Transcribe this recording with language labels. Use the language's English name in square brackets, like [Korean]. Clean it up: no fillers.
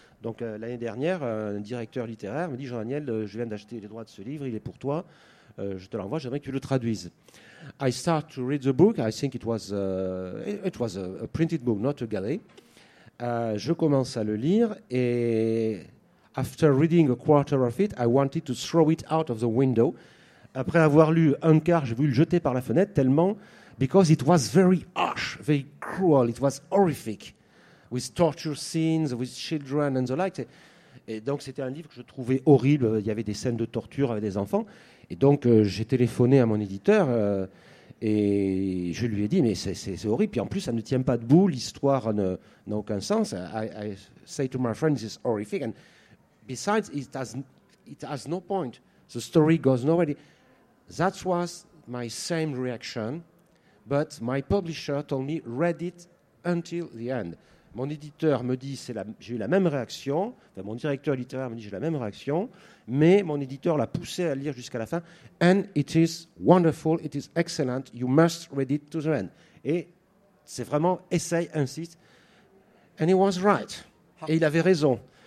[French] Donc l'année dernière, un directeur littéraire me dit, Jean-Daniel, je viens d'acheter les droits de ce livre, il est pour toi, je te l'envoie, j'aimerais que tu le traduises. [English] I start to read the book, I think it was a printed book, not a galley. [French] Je commence à le lire et [English] after reading a quarter of it, I wanted to throw it out of the window. [French] Après avoir lu un quart, j'ai voulu le jeter par la fenêtre tellement, [English] because it was very harsh, very cruel, it was horrific. With torture scenes, with children and the like. [French] Et donc, c'était un livre que je trouvais horrible. Il y avait des scènes de torture avec des enfants. Et donc, j'ai téléphoné à mon éditeur et je lui ai dit, mais c'est horrible. Puis en plus, ça ne tient pas debout. L'histoire n'a aucun sens. [English] I say to my friend, this is horrific. And besides, it has no point. The story goes nowhere. That was my same reaction. But my publisher told me, read it until the end. [French] Mon éditeur me dit, j'ai eu la même réaction. Enfin, mon directeur littéraire me dit, j'ai la même réaction. Mais mon éditeur l'a poussé à lire jusqu'à la fin. [English] And it is wonderful, it is excellent. You must read it to the end. [French] Et c'est vraiment, essaye, insiste. [English] And he was right. [French] Et il avait raison.